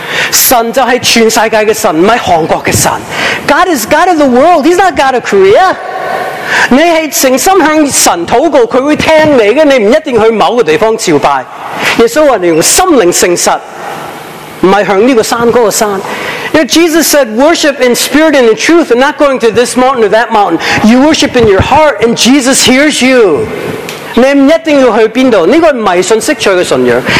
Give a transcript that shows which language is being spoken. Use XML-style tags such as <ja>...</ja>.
<zh>神就是全世界的神，不是韩国的神。</zh> <en>God is God of the world. He's not God of Korea.</en> <zh>你是诚心向神祷告，祂会听你的，你不一定去某个地方朝拜。耶稣说你用心灵诚实，不是向这个山那个山。</zh> <en>You know, Jesus said, worship in spirit and in truth, and not going to this mountain or that mountain. You worship in your heart, and Jesus hears you.</en> <zh>你不一定要去哪里，这个不是信息取的信仰。</zh>